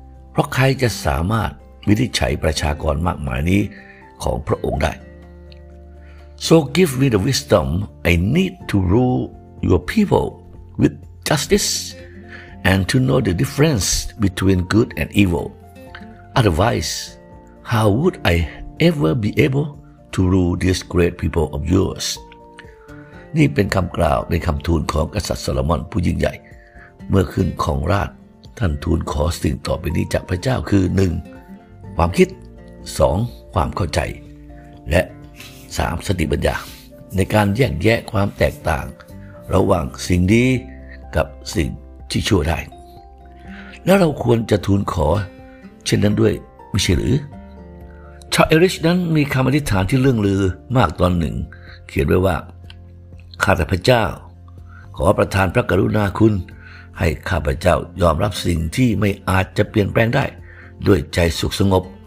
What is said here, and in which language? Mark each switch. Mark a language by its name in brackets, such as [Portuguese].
[Thai] เพราะใครจะสามารถวินิจฉัยประชากรมากมายนี้ของพระองค์ได้ [English] So give me the wisdom I need to rule your people with justice and to know the difference between good and evil. Otherwise, how would I ever be able to rule these great people of yours? [Thai] นี่เป็นคำกล่าวในคำทูลของกษัตริย์โซโลมอนผู้ยิ่งใหญ่เมื่อขึ้นครองราชท่านทูลขอสิ่งต่อไปนี้จากพระเจ้าคือ 1. ความคิด 2. ความเข้าใจและ 3. สติปัญญาในการแยกแยะความแตกต่างระหว่างสิ่งดีกับสิ่งที่ชั่วได้แล้วเราควรจะทูลขอเช่นนั้นด้วยไม่ใช่หรือชาวเอลิชนั้นมีคำอธิษฐานที่เลื่องลือมากตอนหนึ่งเขียนไว้ว่าข้าแต่พระเจ้าขอประทานพระกรุณาคุณให้ข้าพเจ้ายอมรับสิ่งที่ไม่อาจจะเปลี่ยนแปลงได้ด้วยใจสุขสงบ